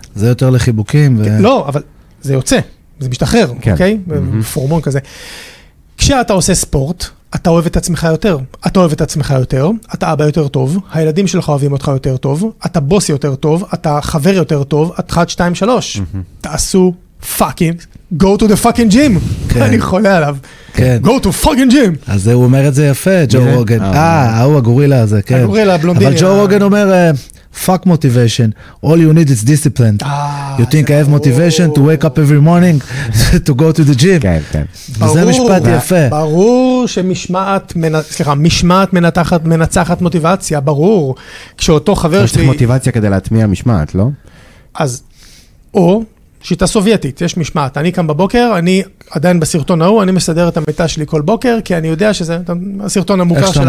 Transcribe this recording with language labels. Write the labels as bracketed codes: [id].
[he] זה יותר לחיבוקים. ו... לא, אבל זה יוצא. זה משתחרר, כן. אוקיי? Mm-hmm. פורמון כזה. כשאתה עושה ספורט, אתה אוהב את עצמך יותר. אתה אוהב את עצמך יותר, אתה אבא יותר טוב, הילדים שלך אוהבים אותך יותר טוב, אתה בוס יותר טוב, אתה חבר יותר טוב, את 1, 2, 3. [en] תעשו fucking, go to the fucking gym. [he] כן. אני חולה עליו. כן. [en] Go to fucking gym. [he] אז הוא אומר את זה יפה, ג'ו רוגן. הוא הגורילה הזה, כן. הגורילה, הבלונדיני. אבל ג'ו רוגן אומר... [en] fuck motivation, all you need is discipline. You think I have motivation to wake up every morning to go to the gym. [he] כן, כן. וזה משפט יפה. ברור שמשמעת, סליחה, משמעת מנתחת, מנצחת מוטיבציה, ברור. כשאותו חבר שלי... אתה צריך מוטיבציה כדי להטמיע משמעת, לא? אז, או שיטה סובייטית, יש משמעת. אני קם בבוקר, אני עדיין בסרטון ההוא, אני מסדר את המיטה שלי כל בוקר, כי אני יודע שזה הסרטון המוכר של